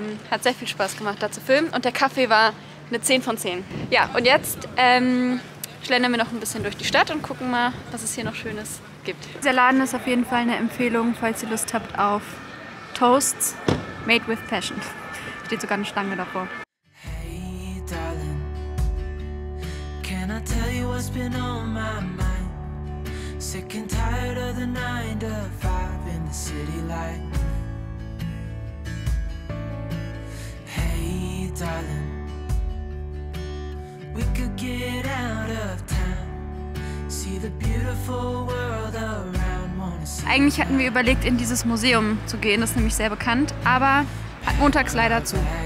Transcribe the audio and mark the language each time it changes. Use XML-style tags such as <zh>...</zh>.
<de>Hat sehr viel Spaß gemacht, da zu filmen. Und der Kaffee war eine 10 von 10. Ja, und jetzt schlendern wir noch ein bisschen durch die Stadt und gucken mal, was es hier noch Schönes gibt. Dieser Laden ist auf jeden Fall eine Empfehlung, falls ihr Lust habt auf Toasts</de> <en>made with passion.</en> <de>Steht sogar eine Schlange davor.</de> <en>Hey, darling, can I tell you what's been on my mind? Sick and tired of the 9-to-5 in the city light. Hey, darling, we could get out of town. See the beautiful world around.</en> <de>Eigentlich hatten wir überlegt, in dieses Museum zu gehen, das ist nämlich sehr bekannt, aber hat montags leider zu.</de>